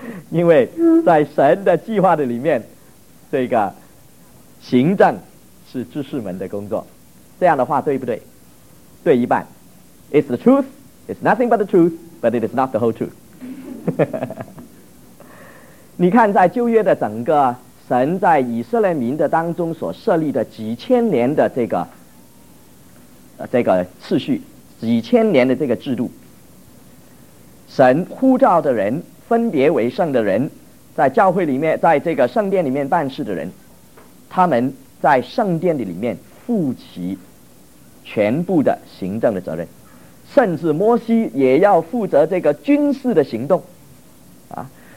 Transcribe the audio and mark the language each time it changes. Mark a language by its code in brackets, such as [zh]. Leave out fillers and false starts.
[zh] 因为在神的计划的里面，这个行政是知识们的工作。这样的话对不对？对一半。 [en] It's the truth, it's nothing but the truth, but it is not the whole truth. [zh] 你看在旧约的整个神在以色列民的当中所设立的几千年的这个次序，几千年的这个制度，神呼召的人，分别为圣的人，在教会里面，在这个圣殿里面办事的人，他们在圣殿里面负起全部的行政的责任，甚至摩西也要负责这个军事的行动啊。